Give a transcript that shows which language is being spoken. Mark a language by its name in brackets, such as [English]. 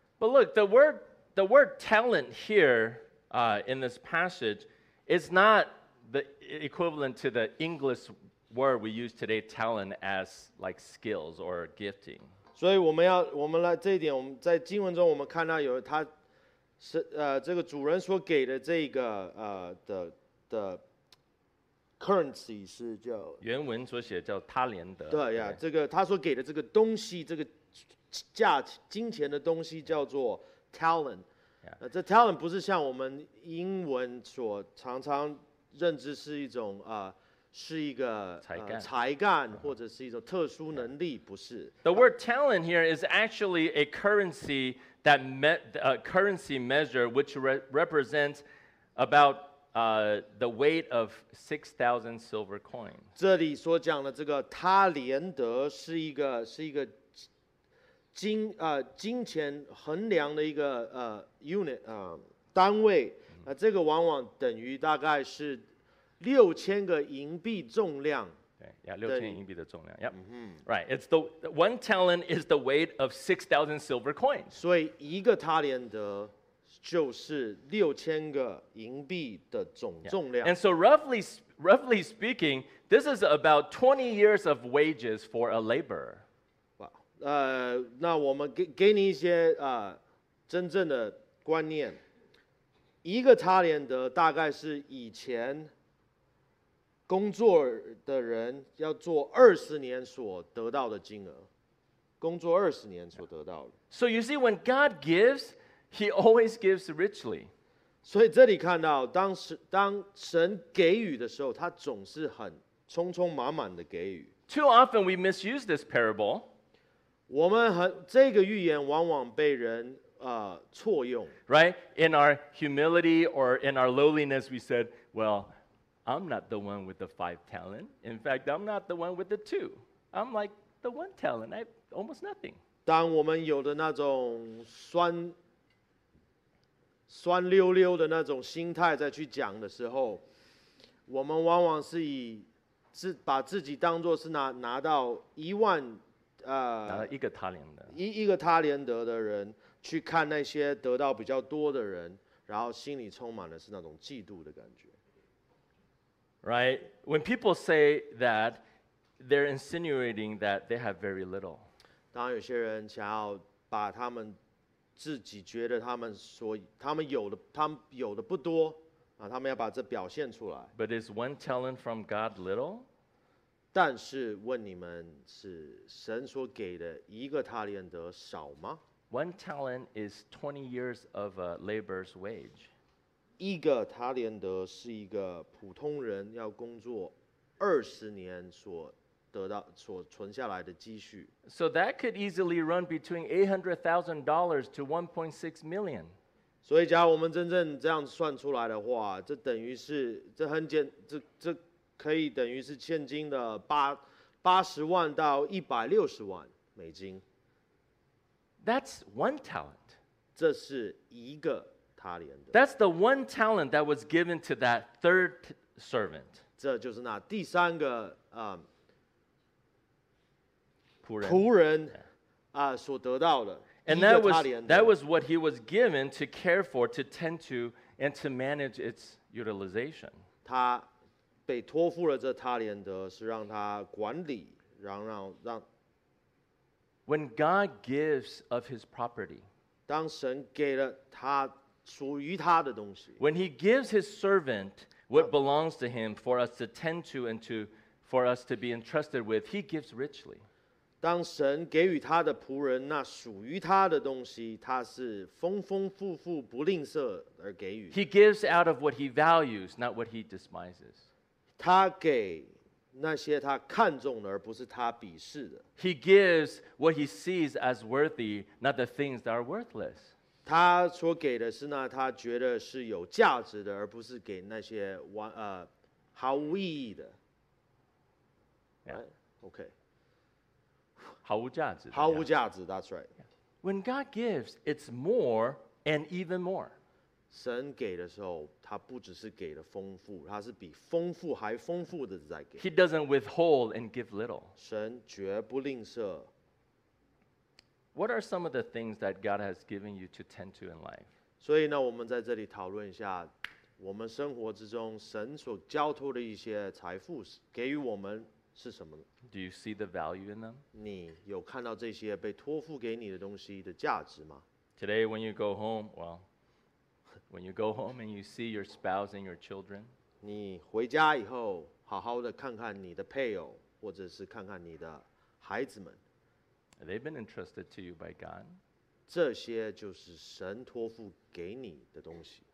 [English] But look, the word talent here, in this passage, is not the equivalent to the English word we use today, talent, as like skills or gifting. [Chinese] 所以我们来这一点，我们在经文中我们看到有他是这个主人所给的这个的。 Currency 是叫原文所写叫他连德。对呀，这个他所给的这个东西，这个价金钱的东西叫做 talent。 [English] Yeah. [Chinese] 这 talent 不是像我们英文所常常认知是一种是一个才干或者是一种特殊能力， yeah. 不是。 [English] The word talent here is actually a currency that currency measure which represents about. The weight of 6,000 silver coins. [Chinese] 这里所讲的这个他连德是一个金钱衡量的一个unit 单位。这个往往等于大概是6000个银币重量。对，六千银币的重量。 [English] Yep. Right. It's the one talent is the weight of 6,000 silver coins. [Chinese] 所以一个他连德。就是六千个银币的总重量。 [English] Yeah. And so roughly speaking, this is about 20 years of wages for a laborer. Wow. [Chinese] 那我们 给你一些、真正的观念。一个查连德大概是以前工作的人要做二十年所得到的金额，工作二十年所得到的。 [English] So you see, when God gives, He always gives richly. [Chinese] 所以这里看到，当神给予的时候，他总是很匆匆忙忙的给予。 [English] Too often we misuse this parable. [Chinese] 我们很这个预言往往被人错用。 [English] Right? In our humility or in our lowliness, we said, well. I'm not the one with the five talent. In fact, I'm not the one with the two. I'm like the one talent. I have almost nothing. [Chinese] 当我们有的那种酸溜溜的那种心态在去讲的时候，我们往往是以自把自己当作是拿到一万拿到一个塔连德一个塔连德的人去看那些得到比较多的人，然后心里充满的是那种嫉妒的感觉。 [English] Right? When people say that, they're insinuating that they have very little. [Chinese] 当有些人想要把他们自己觉得他们有的不多，他们要把这表现出来。 [English] But is one talent from God little? [Chinese] 但是问你们是神所给的一个塔连德少吗？ [English] One talent is 20 years of a laborer's wage. [Chinese] 一个塔连德是一个普通人要工作二十年所得到所存下来的积蓄。 [English] So that could easily run between $800,000 to $1.6 million. [Chinese] 所以，假如我们真正这样算出来的话，这等于是这很简，这可以等于是现金的八十万到160万美金。 [English] That's one talent. [Chinese] 这是一个。 [English] That's the one talent that was given to that third servant. [Chinese] 这就是那第三个仆人所得到的。 [English] And that was what he was given to care for, to tend to, and to manage its utilization. [Chinese] 他被托付了这塔连德，是让他管理，让。 [English] When God gives of His property, [Chinese] 当神给了他。 [English] When he gives his servant what belongs to him for us to tend to and to for us to be entrusted with, he gives richly. [Chinese] 当神给予他的仆人那属于他的东西，他是丰丰富富不吝啬而给予。 [English] He gives out of what he values, not what he despises. [Chinese] 他给那些他看重的，而不是他鄙视的。 [English] He gives what he sees as worthy, not the things that are worthless. [Chinese] 他所给的是那他觉得是有价值的，而不是给那些毫无意义的。 [English] Yeah. Okay. [Chinese] 毫无价值的。毫无价值 , [English] That's right. When God gives, it's more and even more. [Chinese] 神给的时候，他不只是给的丰富，他是比丰富还丰富的在给。 [English] He doesn't withhold and give little. [Chinese] 神绝不吝啬。 [English] What are some of the things that God has given you to tend to in life? [Chinese] 所以呢，我们在这里讨论一下，我们生活之中神所交托的一些财富给予我们是什么？ [English] Do you see the value in them? [Chinese] 你有看到这些被托付给你的东西的价值吗？ [English] Today, when you go home, well, when you go home and you see your spouse and your children, [Chinese] 你回家以后好好的看看你的配偶，或者是看看你的孩子们。 [English] They've been entrusted to you by God. [Chinese] 这些就是神托付给你的东西。